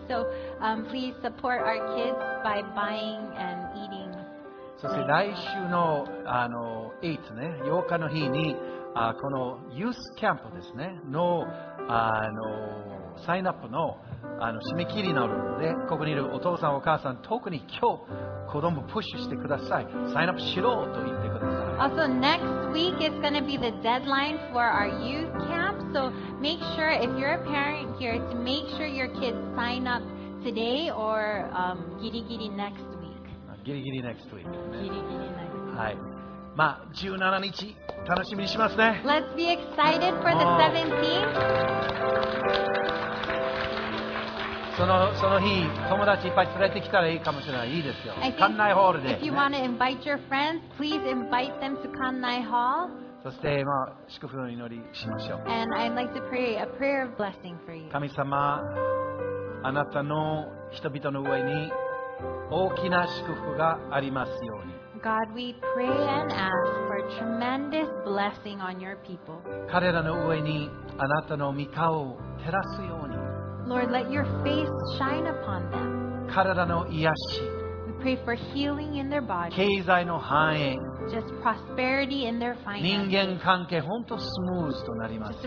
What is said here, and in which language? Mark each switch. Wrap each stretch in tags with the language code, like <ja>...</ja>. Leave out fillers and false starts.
<en>So please support our kids by buying and eating.</en> <ja>そして来週の、あの、8ね、8日の日に、あ、このユースキャンプですね、の、あの、サインアップの、あの、締め切りになるので、ここにいるお父さんお母さん、特に今日、子供プッシュしてください。サインアップしろと言ってください。</ja> <en>Also, next week is going to be the deadline for our youth camp. So make sure if you're a parent here to make sure your kids sign up today or</en> <ja>ギリギリ</ja> <en>next week.</en> <ja>ギリギリ</ja> <en>next week. ギ</en> <ja>リギリ</ja> <en>next week.</en> <ja>はい。まあ17日楽しみにしますね。</ja> <en>Let's be excited for the 17th.</en> <ja>その日友達いっぱい連れてきたらいいかもしれない。いいですよ、館内ホールで、ね、</ja> <en>If you want to invite your friends, please invite them to 館内ホール。</en> <ja>そして、まあ、祝福の祈りしましょう。</ja> <en>And I'd like to pray a prayer of blessing for you.</en> <ja>神様、あなたの人々の上に大きな祝福がありますように。</ja> <en>God, we pray and ask for tremendous blessing on your people.</en> <ja>彼らの上にあなたの御顔を照らすように。</ja> <en>Lord, let your face shine upon them.</en> <ja>体の癒し。</ja> <en>We pray for healing in their body.</en> <ja>経済の繁栄。</ja> <en>Just prosperity in their finances.</en> <ja>人間関係、本当スムーズとなります。</ja>